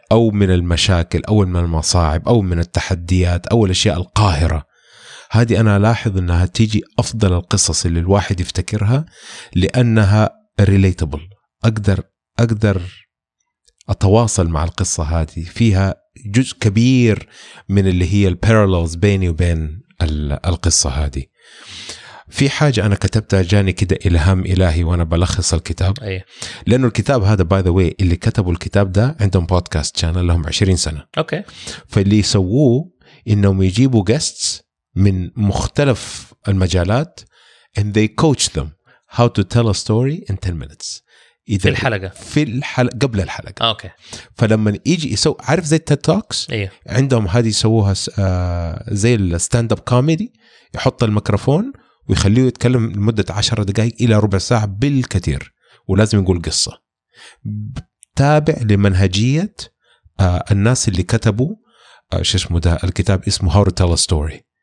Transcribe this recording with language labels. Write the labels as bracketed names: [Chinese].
[Arabic] أو من المشاكل أو من المصاعب أو من التحديات أو الأشياء القاهرة، هذه أنا لاحظ أنها تيجي أفضل القصص اللي الواحد يفتكرها، لأنها ريليتابل، أقدر أتواصل مع القصة هذه، فيها جزء كبير من اللي هي البارالوز بيني وبين القصة هذه. في حاجة أنا كتبتها جاني كده إلهام إلهي وأنا بلخص الكتاب. أيه. لأنه الكتاب هذا [English] by the way [Arabic] اللي كتبوا الكتاب ده عندهم بودكاست شانل لهم 20 سنة. أوكي. فاللي يسووه إنهم يجيبوا [English] guests [Arabic] من مختلف المجالات [English] and they coach them how to tell a story in 10 minutes. [Arabic] إذا في الحلقة. قبل الحلقة. أوكي. فلما يجي يسو، عارف زي TED Talks. أيه. عندهم هذه يسووها زي الستاند أب كوميدي، يحط الميكروفون ويخليه يتكلم لمدة 10 دقائق إلى ربع ساعة بالكثير، ولازم يقول قصة تابع لمنهجية الناس اللي كتبوا شو اسمه ده الكتاب، اسمه How to Tell a Story.